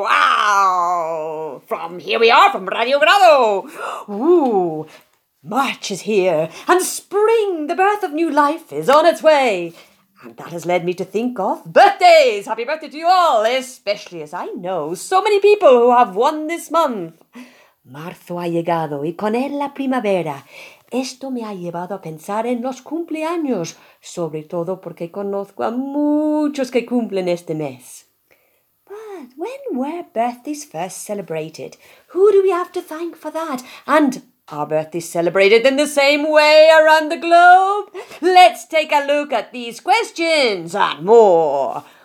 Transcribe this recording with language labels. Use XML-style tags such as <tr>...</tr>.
<en>Wow. From here we are, from Radio Grado. Ooh, March is here, and spring, the birth of new life, is on its way. And that has led me to think of birthdays. Happy birthday to you all, especially as I know so many people who have one this month.</en> <es>Marzo ha llegado y con él la primavera. Esto me ha llevado a pensar en los cumpleaños, sobre todo porque conozco a muchos que cumplen este mes.</es> <en>But when were birthdays first celebrated? Who do we have to thank for that? And are birthdays celebrated in the same way around the globe? Let's take a look at these questions and more.</en>